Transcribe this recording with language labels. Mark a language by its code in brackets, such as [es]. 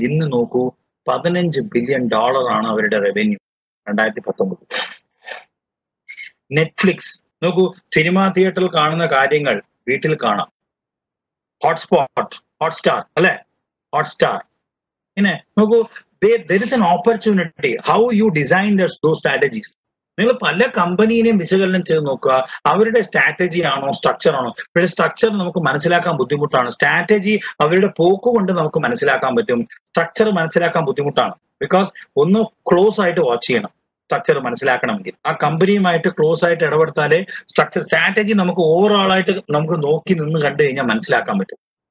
[ml] ഇന്ന് നോക്കൂ, $15 billion ആണ് അവരുടെ റവന്യൂ 2019. നെറ്റ്ഫ്ലിക്സ് നോക്കൂ, സിനിമാ തിയേറ്ററിൽ കാണുന്ന കാര്യങ്ങൾ വീട്ടിൽ കാണാം. ഹോട്ട്സ്പോട്ട്, ഹോട്ട്സ്റ്റാർ അല്ലെ, ഹോട്ട്സ്റ്റാർ ഇങ്ങനെ നോക്കൂ. [en] There is an opportunity how you design those strategies. [ml] നിങ്ങൾ പല കമ്പനിയെയും വിശകലനം ചെയ്ത് നോക്കുക, അവരുടെ സ്ട്രാറ്റജി ആണോ സ്ട്രക്ചർ ആണോ. ഇവരുടെ സ്ട്രക്ചർ നമുക്ക് മനസ്സിലാക്കാൻ ബുദ്ധിമുട്ടാണ്. സ്ട്രാറ്റജി അവരുടെ പോക്ക് കൊണ്ട് നമുക്ക് മനസ്സിലാക്കാൻ പറ്റും. സ്ട്രക്ചർ മനസ്സിലാക്കാൻ ബുദ്ധിമുട്ടാണ്, ബിക്കോസ് ഒന്ന് ക്ലോസ് ആയിട്ട് വാച്ച് ചെയ്യണം. സ്ട്രക്ചർ മനസ്സിലാക്കണമെങ്കിൽ ആ കമ്പനിയുമായിട്ട് ക്ലോസ് ആയിട്ട് ഇടപെടുത്താലേ സ്ട്രക്ചർ സ്ട്രാറ്റജി നമുക്ക് ഓവറോൾ ആയിട്ട് നമുക്ക് നോക്കി നിന്ന് കണ്ടു കഴിഞ്ഞാൽ മനസ്സിലാക്കാൻ പറ്റും.